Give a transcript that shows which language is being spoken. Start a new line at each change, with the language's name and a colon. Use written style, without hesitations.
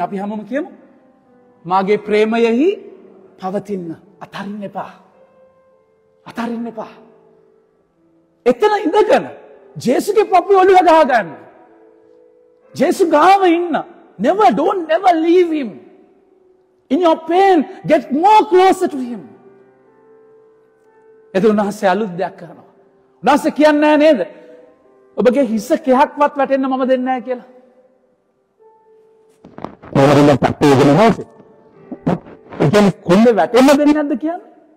Sinhala: අපි හැමෝම කියමු, මාගේ ප්‍රේමයෙහි පවතින්න. අතරින් එපා, අතරින් එපා. එතන ඉඳගෙන ජේසුගේ පපු ඔළුව ගහ ගන්න, ජේසු ගාව ඉන්න.
English: Never, don't never leave him. In your pain, get more closer to him.
Sinhala: එතන උන්වහන්සේ අලුත් දෙයක් කරනවා. උන්වහන්සේ කියන්නේ නැහැ නේද, ඔබගේ හිස කෙහක්වත් වැටෙන්න මම දෙන්නේ නැහැ කියලා. මොනවද පැත්තේ ඉගෙනහස? එතන කොන්න වැටෙන්න දෙන්නේ නැද්ද කියන්නේ?